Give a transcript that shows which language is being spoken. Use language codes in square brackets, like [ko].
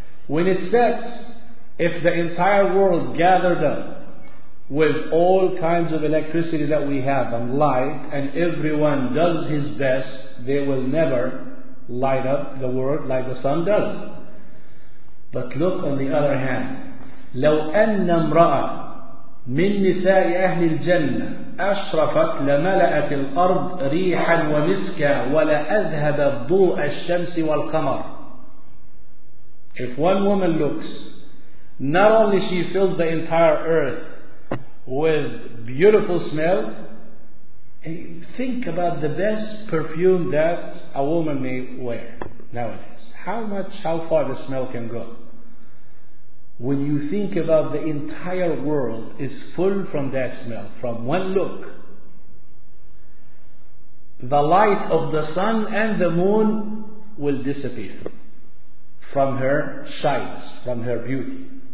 [en] When it sets, if the entire world gathered up with all kinds of electricity that we have and light, and everyone does his best, they will never light up the world like the sun does. But look on the other hand. [ar] لو أن امرأة من نساء أهل الجنة أشرفت لملأت الأرض ريحا ومسكا ولا أذهب ضوء الشمس والقمر. [en] If one woman looks, not only she fills the entire earth with beautiful smell, think about the best perfume that a woman may wear nowadays. How far the smell can go? When you think about the entire world is full from that smell, from one look, the light of the sun and the moon will disappear from her shines, from her beauty.